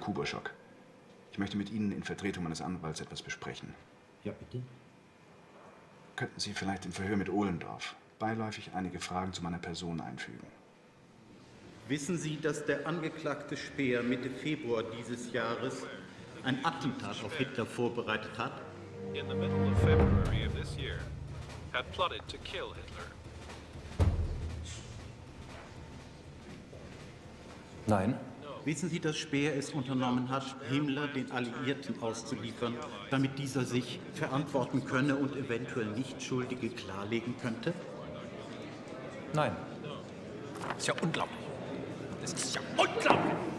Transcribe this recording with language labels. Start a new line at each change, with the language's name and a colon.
German: Kubaschok, ich möchte mit Ihnen in Vertretung meines Anwalts etwas besprechen. Ja, bitte. Könnten Sie vielleicht im Verhör mit Ohlendorf beiläufig einige Fragen zu meiner Person einfügen? Wissen Sie, dass der angeklagte Speer Mitte Februar dieses Jahres ein Attentat auf Hitler vorbereitet hat?
English: In the middle of February of this year, had plotted to kill Hitler.
German: Nein. Wissen Sie, dass Speer es unternommen hat, Himmler den Alliierten auszuliefern, damit dieser sich verantworten könne und eventuell Nichtschuldige klarlegen könnte? Nein. Das ist ja unglaublich. Das ist ja unglaublich!